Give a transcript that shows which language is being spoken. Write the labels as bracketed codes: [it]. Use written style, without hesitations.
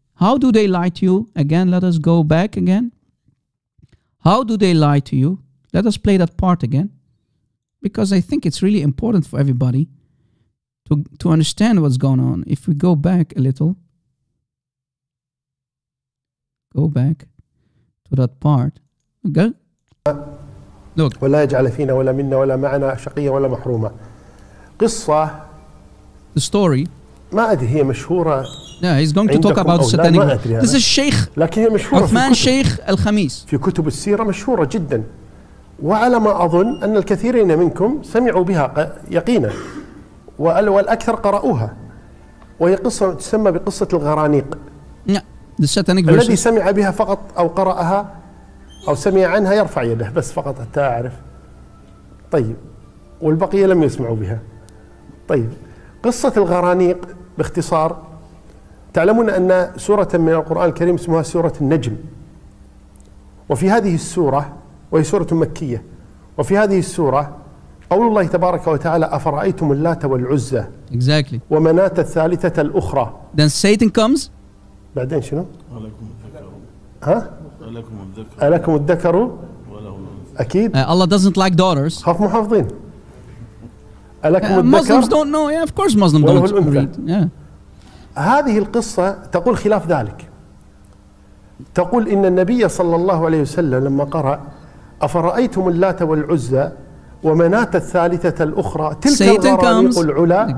[en] How do they lie to you? Again, let us go back again. How do they lie to you? Let us play that part again. Because I think it's really important for everybody to understand what's going on. If we go back a little, go back to that part. Okay. [ar] ولا يجعل فينا ولا منا ولا معنا شقية ولا محرومة قصة [en] the story [ar] ما أدري هي مشهورة [en] yeah he's going to talk about satanic this is الشيخ [ar] لكن هي مشهورة عثمان شيخ الخميس في كتب السيرة مشهورة جدا وعلى ما أظن أن الكثيرين منكم سمعوا بها يقينا والأكثر قرأوها وهي قصة تسمى بقصة الغرانيق [en] yeah the satanic verses [ar] الذي سمع بها فقط أو قرأها أو سمع عنها يرفع يده بس فقط حتى أعرف طيب والبقية لم يسمعوا بها طيب قصة الغرانيق باختصار تعلمون أن سورة من القرآن الكريم اسمها سورة النجم وفي هذه السورة وهي سورة مكية وفي هذه السورة قول الله تبارك وتعالى أفرأيتم اللات والعزة [en] exactly. [ar] ومناة الثالثة الأخرى [en] then Satan comes [ar] بعدين شنو ها ألكم الذكر أكيد [en] Allah doesn't like daughters [ar] خاف محافظين ألكم الذكر [en] Muslims don't know yeah of course Muslims don't read yeah. [ar] هذه القصة تقول خلاف ذلك تقول إن النبي صلى الله عليه وسلم لما قرأ أفرأيتم اللات والعزة ومناة الثالثة الأخرى تلك الغرانيق العلا